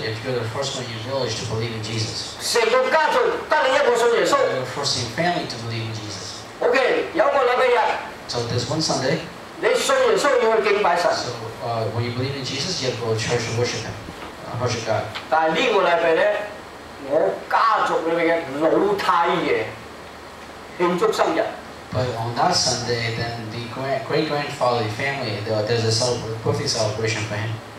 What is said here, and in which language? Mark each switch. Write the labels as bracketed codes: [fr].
[en] if you're the first one in your village to believe in Jesus. [yue] 成個家族得你一個信耶穌。 [en] You're the first in your family to believe in Jesus. [yue] Okay, 有個禮拜日。 [en] So there's one Sunday. [yue] 你信耶穌，你去敬拜神。 [en] So when you believe in Jesus, you have to go to church to worship Him, worship God. [yue] 但係呢個禮拜咧。我家族裏面嘅老太爺慶祝生日。 [en] But on that Sunday, then the great-grandfather, the family, there's a birthday celebration for him.